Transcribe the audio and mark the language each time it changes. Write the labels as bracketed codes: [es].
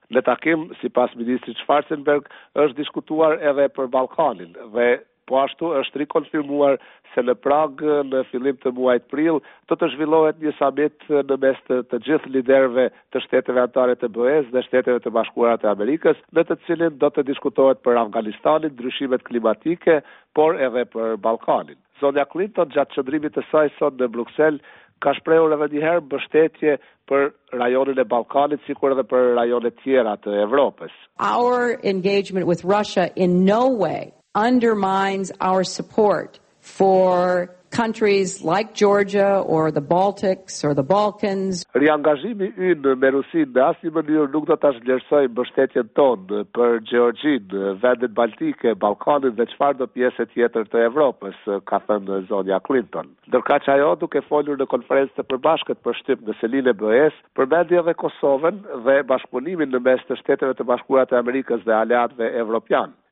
[sq] Në takim, sipas ministrit Schwarzenberg, është diskutuar edhe për Ballkanin dhe po ashtu është rikonfirmuar se në Pragë në fillim të muajit prill do të zhvillohet një samit në mes të gjithë liderëve të shteteve anëtare të BE-s dhe shteteve të bashkuara të Amerikës, në të cilin do të diskutohet për Afganistanin, ndryshimet klimatike, por edhe për Ballkanin. Zonja Clinton gjatë qëndrimit të saj sot në Bruksel ka shprehur edhe një herë mbështetje për rajonin e Ballkanit, sikur edhe për rajone tjera të Evropës. [en] Our engagement with Russia in no way undermines our support for countries like Georgia or the Baltics or the Balkans. [sq] Riangazhimi ynë me Rusinë në asnjë mënyrë nuk do ta zhvlerësoj mbështetjen tonë për Gjeorgjinë, vendet baltike, Ballkanin dhe çfarëdo pjesë tjetër të Evropës, ka thënë zonja Clinton. Ndërkaq ajo, duke folur në konferencë të përbashkët për shtyp në selinë e BE-s, përmendi edhe Kosovën dhe bashkëpunimin në mes të Shteteve të Bashkuara të Amerikës dhe aleatëve evropian.